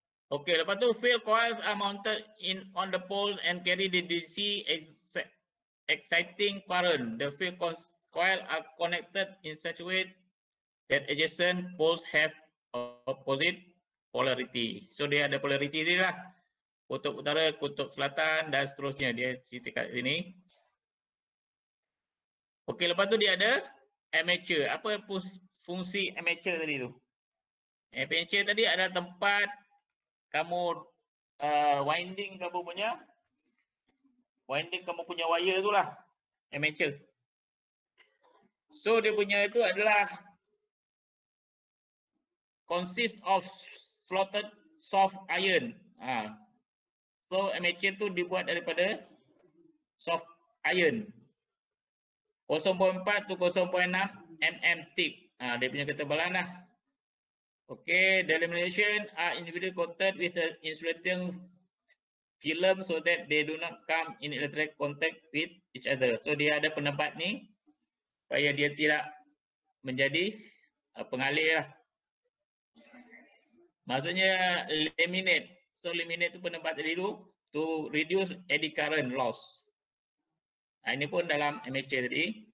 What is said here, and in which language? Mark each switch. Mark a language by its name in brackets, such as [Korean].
[Malay] Okey, lepas tu [English] field coils are mounted in on the poles and carry the DC exciting current. The field coils are connected in such a way that adjacent poles have opposite polarity. [Malay] So dia ada polarity dia lah. Kutub utara, kutub selatan dan seterusnya. Dia cerita kat sini. Okey, lepas tu dia ada armature. Apa fungsi armature tadi tu? Armature tadi ada tempat kamu winding kamu punya. Winding kamu punya wire tu lah. Armature. So dia punya itu adalah [English] consist of slotted soft iron. [Malay] So armature tu dibuat daripada soft iron. [English] 0.4 to 0.6 mm thick. [Malay] Dia punya ketebalan lah. [English] Okay, the lamination are individually coated with an insulating film so that they do not come in direct contact with each other. [Malay] So dia ada pendapat ni supaya dia tidak menjadi pengalir lah. Maksudnya eliminate. So eliminate tu pendapat tadi tu [English] to reduce eddy current loss. [Malay] Nah, ini pun dalam MHA tadi.